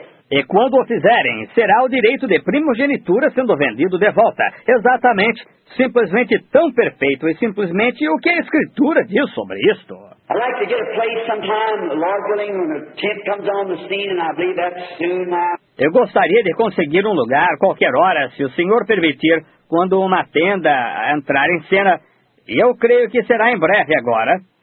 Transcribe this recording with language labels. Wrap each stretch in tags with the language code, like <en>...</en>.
<pt>E quando o fizerem, será o direito de primogenitura sendo vendido de volta. Exatamente, simplesmente tão perfeito e simplesmente o que a Escritura diz sobre isto.</pt> <en>I'd like to get a place sometime, Lord willing, when the tent comes on the scene, and I believe that's soon now.</en> <pt>Eu gostaria de conseguir um lugar qualquer hora, se o Senhor permitir, quando uma tenda entrar em cena. E eu creio que será em breve agora.</pt>